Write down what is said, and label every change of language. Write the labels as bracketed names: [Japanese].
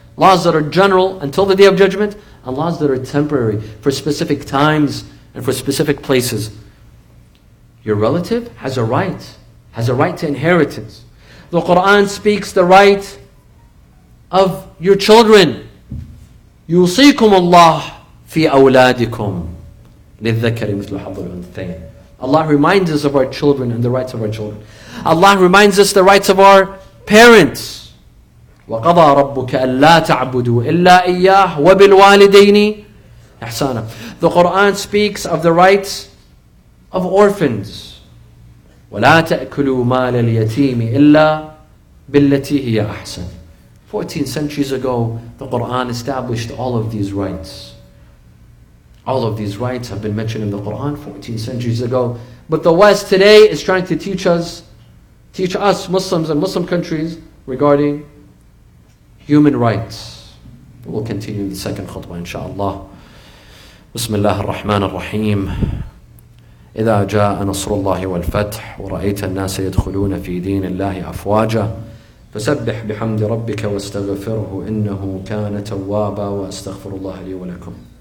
[English] Laws that are general until the Day of Judgment, and laws that are temporary for specific times and for specific places. Your relative has a right to inheritance. The Quran speaks the right of your children. [Arabic] يوصيكم الله في أولادكم للذكر مثل حظ الأنثيين. [English] Allah reminds us of our children and the rights of our children. Allah reminds us the rights of our parents. [Arabic] وقضى ربك ألا تعبدوا إلا إياه وبالوالدين إحسانا. [English] The Quran speaks of the rights of orphans. [Arabic] وَلَا تَأْكُلُوا مَالَ الْيَتِيمِ إِلَّا بِالَّتِي هِيَ أَحْسَنِ. [English] 14 centuries ago, the Qur'an established all of these rights. All of these rights have been mentioned in the Qur'an 14 centuries ago. But the West today is trying to teach us Muslims and Muslim countries regarding human rights. We'll continue in the second khutbah, inshaAllah. [Arabic] Bismillah ar-Rahman ar-Rahim. إذا جاء نصر الله والفتح ورأيت الناس يدخلون في دين الله أفواجا فسبح بحمد ربك واستغفره إنه كان توابا واستغفر الله لي ولكم.